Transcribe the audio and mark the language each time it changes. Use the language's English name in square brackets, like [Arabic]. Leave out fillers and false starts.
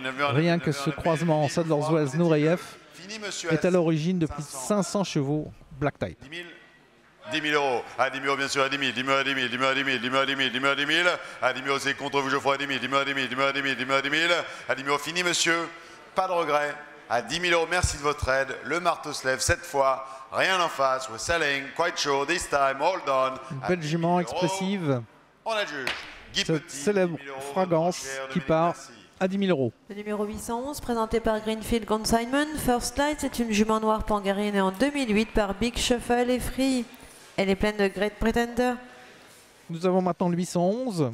[French] Rien que ce croisement Sadler's Wells-Nureyev est à l'origine de plus de 500 chevaux Black Type. 10 000 euros, à 10 000 euros bien sûr, à 10 000, 10 000, 10 000, 10 000, 10 000, 10 000, 10 000, 10 000, 10 000, à 10 000 euros c'est contre vous, je ferai 10 000, 10 000, 10 000, 10 000, 10 000, 10 000, 10 000, à 10 000 euros, fini monsieur, pas de regret, à 10 000 euros, merci de votre aide, le marteau se lève cette fois. Rien en face, [English] we're selling, quite sure, this time, hold on. [French] Une belle jument expressive. On adjuge. Cette célèbre fragrance qui part à 10 000 euros. Le numéro 811, présenté par Greenfield Consignment. First Light, c'est une jument noire pangarée née en 2008 par Big Shuffle et Free. Elle est pleine de Great Pretender. Nous avons maintenant le 811.